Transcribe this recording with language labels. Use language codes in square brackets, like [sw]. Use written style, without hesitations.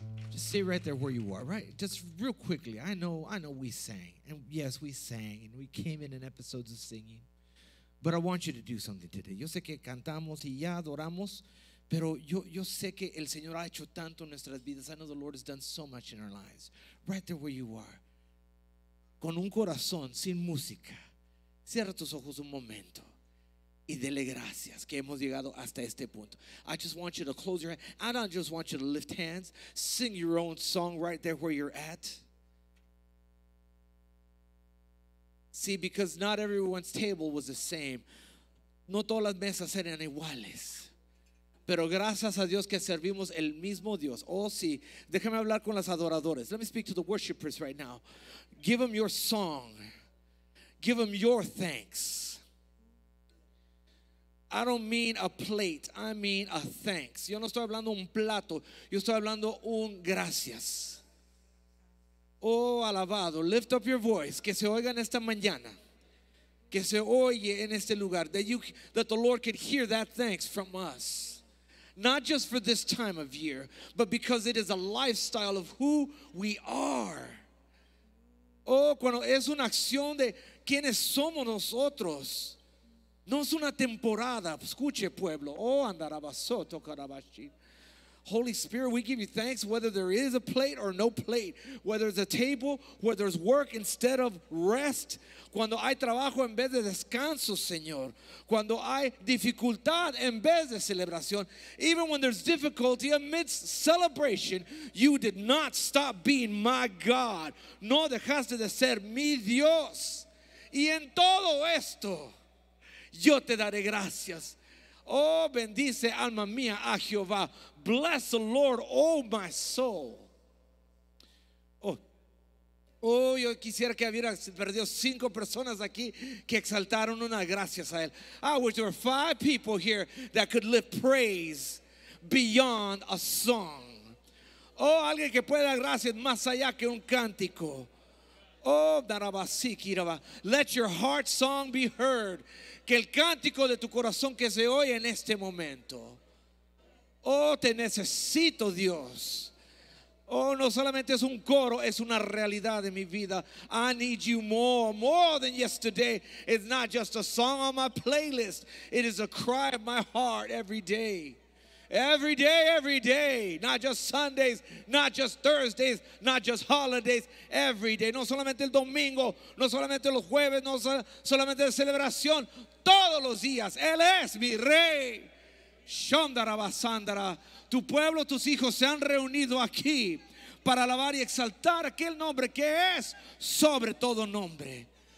[en] Just stay right there where you are, right? Just real quickly. I know we sang. And yes, we sang. And we came in episodes of singing. But I want you to do something today. [es] Yo sé que cantamos y ya adoramos. Pero yo sé que el Señor ha hecho tanto en nuestras vidas. [en] I know the Lord has done so much in our lives. Right there where you are. [es] Con un corazón sin música, cierra tus ojos un momento y dele gracias que hemos llegado hasta este punto. [en] I just want you to close your hand. I don't just want you to lift hands. Sing your own song right there where you're at. See, because not everyone's table was the same. [es] No todas las mesas eran iguales. Pero gracias a Dios que servimos el mismo Dios. Oh, sí. Déjame hablar con las adoradores. [en] Let me speak to the worshipers right now. Give them your song. Give them your thanks. I don't mean a plate. I mean a thanks. [es] Yo no estoy hablando un plato. Yo estoy hablando un gracias. Oh, alabado. [en] Lift up your voice. [es] Que se oigan esta mañana. Que se oye en este lugar. [en] That the Lord could hear that thanks from us. Not just for this time of year, but because it is a lifestyle of who we are. [es] Oh, cuando es una acción de quiénes somos nosotros. No es una temporada. Escuche, pueblo. Oh, andarabasoto, carabashi. [en] Holy Spirit, we give you thanks whether there is a plate or no plate, whether it's a table, whether there's work instead of rest, [es] cuando hay trabajo en vez de descanso, Señor, cuando hay dificultad en vez de celebración, [en] even when there's difficulty amidst celebration, you did not stop being my God, [es] no dejaste de ser mi Dios, y en todo esto, yo te daré gracias. Oh, bendice alma mía a Jehová. [en] Bless the Lord, oh my soul. [es] Oh, oh, yo quisiera que hubiera perdido cinco personas aquí que exaltaron una gracias a él. [en] I wish there were five people here that could lift praise beyond a song. [es] Oh, alguien que pueda dar gracias más allá que un cántico. [en] Oh, darabasikiraba. Let your heart song be heard. [es] Que el cántico de tu corazón que se oye en este momento. Oh, te necesito, Dios. Oh, no solamente es un coro, es una realidad de mi vida. [en] I need you more, more than yesterday. It's not just a song on my playlist. It is a cry of my heart every day. Every day, every day. Not just Sundays, not just Thursdays, not just holidays. Every day. [es] No solamente el domingo, no solamente los jueves, no solamente la celebración. Todos los días. Él es mi rey. Shondara basandara, tu pueblo, tus hijos se han reunido aquí para alabar y exaltar aquel nombre que es sobre todo nombre.